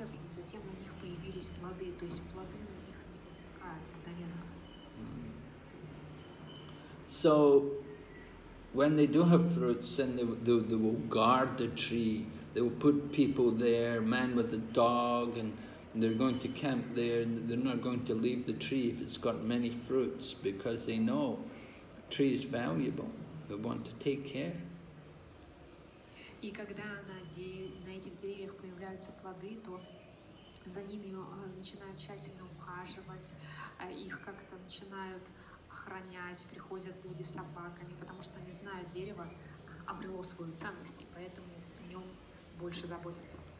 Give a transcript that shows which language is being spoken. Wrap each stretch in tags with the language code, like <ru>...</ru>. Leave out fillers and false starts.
<ru>Затем на них появились плоды, то есть плоды на них не возникают мгновенно.</ru> <en>So, when they do have fruits, then they will guard the tree. They will put people there, man with a dog, and they're going to camp there. They're not going to leave the tree if it's got many fruits, because they know the tree is valuable. They want to take care.</en> <ru>И когда на этих деревьях появляются плоды, то за ними начинают тщательно ухаживать, их как-то начинают охранять, приходят люди с собаками, потому что они знают, дерево обрело свою ценность, и поэтому о нем больше заботятся.</ru>